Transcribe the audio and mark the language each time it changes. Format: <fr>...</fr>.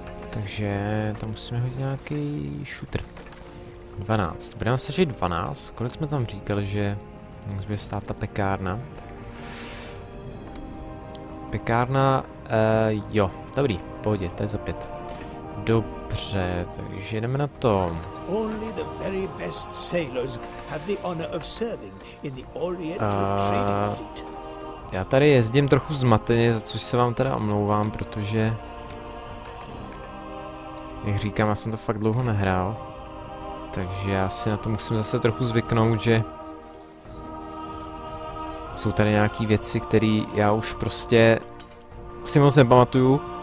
<cs>Takže tam musíme hodit nějaký shooter. 12. Budeme stačit 12. Kolik jsme tam říkali, že musí stát ta pekárna. Pekárna, jo, dobrý, pohodě, to je za 5. Dobře, takže jdeme na to.</cs> <en>Only the very best sailors have the honor of serving in the Oriental trading fleet.</en> <cs>Já tady jezdím trochu zmateně, za což se vám teda omlouvám, protože jak říkám, já jsem to fakt dlouho nehrál. Takže já si na to musím zase trochu zvyknout, že jsou tady nějaký věci, které já už prostě si moc nepamatuju.</cs>